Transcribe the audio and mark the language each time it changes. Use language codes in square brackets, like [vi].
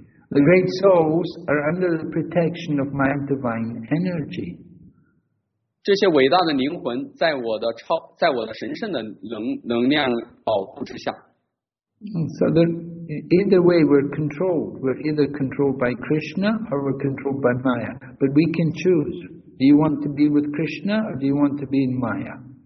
[en] The great souls are under the protection of my divine energy. [zh] 这些伟大的灵魂在我的超在我的神圣的能量保护之下。 [en] So the, either way we're controlled. We're either controlled by Krishna or we're controlled by Maya. But we can choose. Do you want to be with Krishna or do you want to be in Maya?